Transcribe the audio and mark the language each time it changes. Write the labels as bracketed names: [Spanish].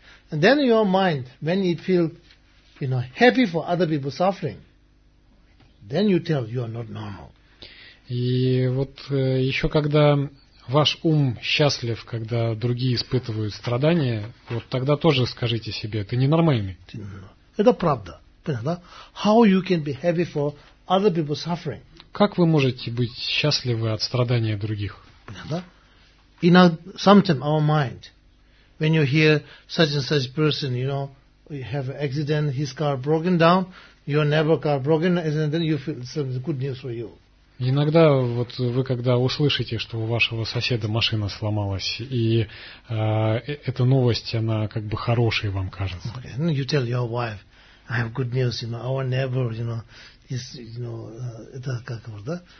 [English] And then your mind, when it feels, you know, happy for other people suffering, then you tell you are not normal. [Russian] И вот еще когда ваш ум счастлив, когда другие испытывают страдания, вот тогда тоже скажите себе, ты ненормальный. Это правда. Понятно, да? [English] How you can be happy for other people suffering? [Russian] Как вы можете быть счастливы от страдания других? Понятно, да? [English] In our, sometimes our mind, when you hear such and such person, you know, you have an accident, his car broken down, your neighbor car broken, and then you feel some good news for you. [Russian] Иногда вот вы когда услышите, что у вашего соседа машина сломалась, и эта новость, она как бы хорошей вам кажется. [English] Okay. And you tell your wife, I have good news, you know, our neighbor, you know, is, you know, это как его, да?